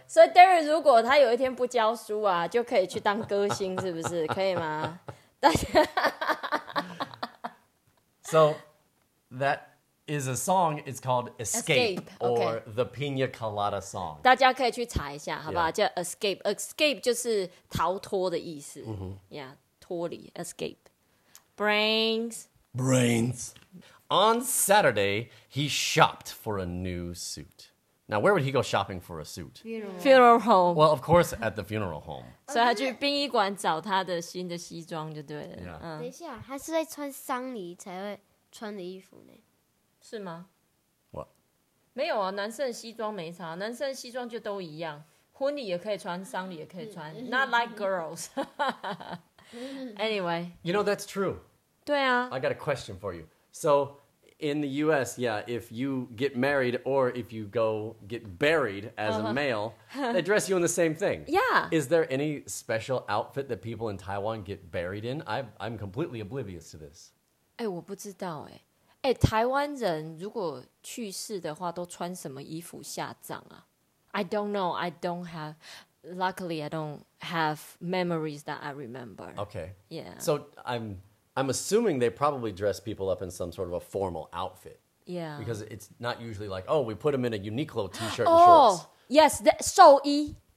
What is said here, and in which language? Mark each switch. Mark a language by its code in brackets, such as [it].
[zh] So Darren, 如果他有一天不教书啊，就可以去当歌星，是不是？可以吗？ [en] So that is a song, it's called Escape, or okay. The Pina Colada Song. [zh] 大家可以去查一下，好不好？ Yeah. 叫 Escape. Escape 就是逃脱的意思。 Mm-hmm. Yeah, 脱离 Escape. [en] Brains. Brains. On Saturday, he shopped for a new suit. Now, where would he go shopping for a suit? Funeral home. Well, of course, at the funeral home. [zh] So he went to the 殡仪馆找他的新的西装就对了。 [en] Yeah. [zh] 等一下，他是在穿丧礼才会穿的衣服呢，是吗 [en] ？What? [zh] 没有啊，男生的西装没差，男生的西装就都一样，婚礼也可以穿，丧礼也可以穿。 [en] Not like girls. Anyway. You know that's true. [zh] 对啊。 [en] I got a question for you. So, in the U.S., yeah, if you get married or if you go get buried as a male, they dress you in the same thing. Yeah. Is there any special outfit that people in Taiwan get buried in? I'm completely oblivious to this. [zh] 哎，我不知道哎。哎，台湾人如果去世的话，都穿什么衣服下葬啊？ [en] I don't know. I don't have. Luckily, I don't have memories that I remember. Okay. Yeah. So, I'm assuming they probably dress people up in some sort of a formal outfit. Yeah. Because it's not usually like, oh, we put them in a Uniqlo t-shirt and shorts. Oh, yes, shou-yi.